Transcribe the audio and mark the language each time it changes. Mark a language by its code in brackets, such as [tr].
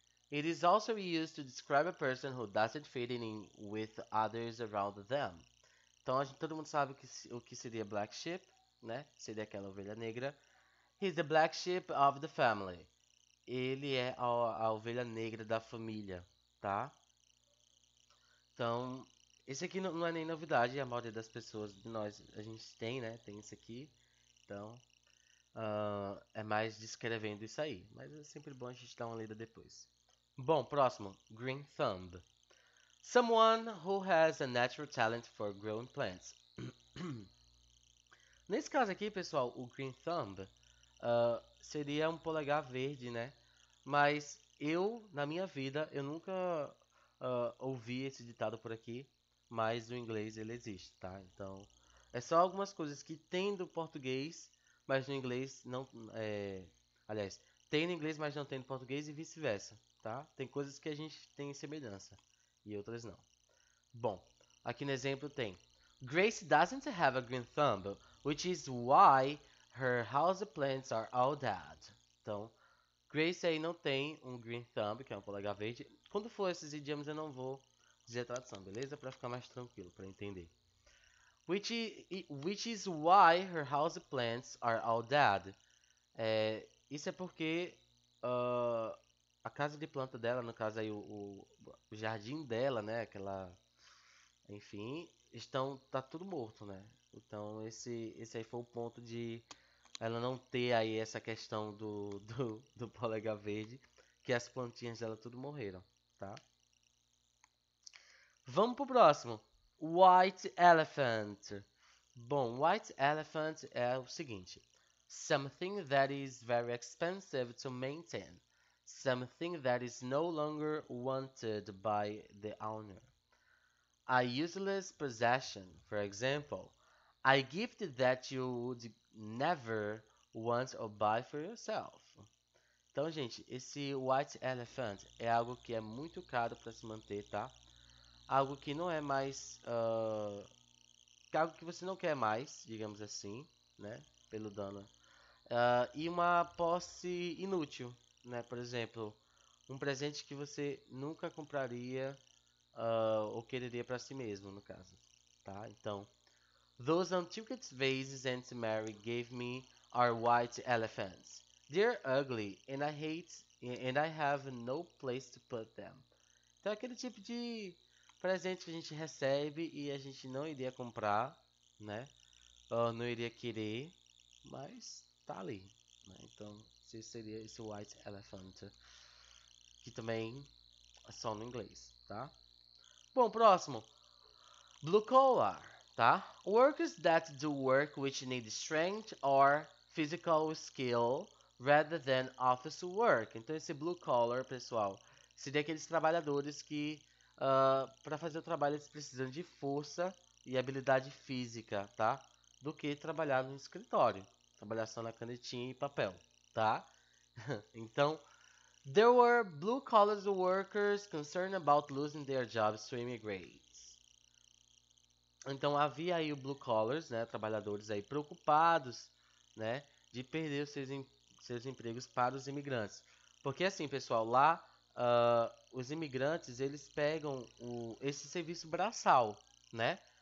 [en] It is also used to describe a person who doesn't fit in with others around them. [pt] Então, a gente, todo mundo sabe o que seria black sheep, né? Seria aquela ovelha negra. [en] He's the black sheep of the family. [pt] Ele é a ovelha negra da família, tá? Então, esse aqui não é nem novidade, a maioria das pessoas de nós, a gente tem, né? Tem isso aqui. Então, é mais descrevendo isso aí, mas é sempre bom a gente dar uma lida depois. Bom, próximo, Green Thumb. [en] Someone who has a natural talent for growing plants. [pt] Nesse caso aqui, pessoal, o Green Thumb seria um polegar verde, né? Mas eu, na minha vida, eu nunca ouvi esse ditado por aqui, mas o inglês ele existe, tá? Então, é só algumas coisas que tem do português. Mas no inglês não é, aliás, tem no inglês, mas não tem no português e vice-versa, tá? Tem coisas que a gente tem em semelhança e outras não. Bom, aqui no exemplo tem: [en] Grace doesn't have a green thumb, which is why her house plants are all dead. [pt] Então, Grace aí não tem um green thumb, que é um polegar verde. Quando for esses idiomas eu não vou dizer a tradução, beleza? Para ficar mais tranquilo, para entender. [en] Which is why her house plants are all dead. [pt] É, isso é porque a casa de planta dela, no caso aí o jardim dela, né? Aquela, enfim, tá tudo morto, né? Então esse aí foi o ponto de ela não ter aí essa questão do polegar verde, que as plantinhas dela tudo morreram, tá? Vamos pro próximo. White elephant. [en] Bom, white elephant [pt] é o seguinte: [en] something that is very expensive to maintain. Something that is no longer wanted by the owner. A useless possession, for example. A gift that you would never want or buy for yourself. [pt] Então, gente, esse white elephant é algo que é muito caro para se manter, tá? Algo que não é mais. Algo que você não quer mais, digamos assim, né? Pelo dano. E uma posse inútil, né? Por exemplo, um presente que você nunca compraria ou quereria para si mesmo, no caso. Tá? [en] Então, those antique vases Aunt Mary gave me are white elephants. They're ugly and I hate and I have no place to put them. [pt] Então, aquele tipo de presente que a gente recebe e a gente não iria comprar, né? Ou não iria querer, mas tá ali, né? Então, esse seria White Elephant, que também é só no inglês, tá? Bom, próximo. Blue collar, tá? [en] Workers that do work which need strength or physical skill rather than office work. [pt] Então, esse blue collar, pessoal, seria aqueles trabalhadores que para fazer o trabalho eles precisam de força e habilidade física, tá? Do que trabalhar no escritório, trabalhar só na canetinha e papel, tá? [en] Então, there were blue collar workers concerned about losing their jobs to immigrants. [pt] Então havia aí o blue collars, né, trabalhadores aí preocupados, né, de perder os seus empregos para os imigrantes. Porque assim, pessoal, lá os imigrantes eles pegam esse serviço braçal, né?